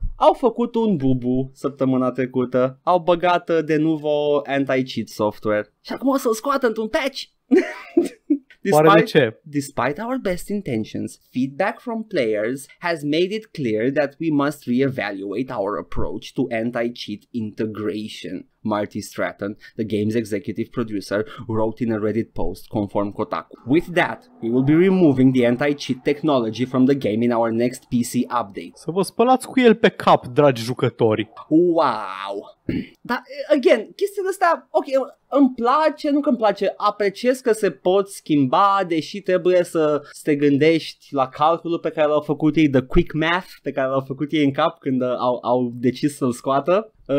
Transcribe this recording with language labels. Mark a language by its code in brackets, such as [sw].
[ro] Au făcut un bubu săptămâna trecută, au băgat de nuvo anti-cheat software și acum o să-l scoată într-un patch. [en] despite our best intentions, feedback from players has made it clear that we must reevaluate our approach to anti-cheat integration. Marty Stratton, the game's executive producer, wrote in a Reddit post, [ro] conform Kotaku. [en] With that, we will be removing the anti-cheat technology from the game in our next PC update. [ro] Să vă spălați cu el pe cap, dragi jucători. Wow! Dar, again, chestia asta, ok, îmi place, nu că îmi place, apreciez că se pot schimba, deși trebuie să te gândești la calculul pe care l-au făcut ei, [en] the quick math [ro] pe care l-au făcut ei în cap când au decis să-l scoată.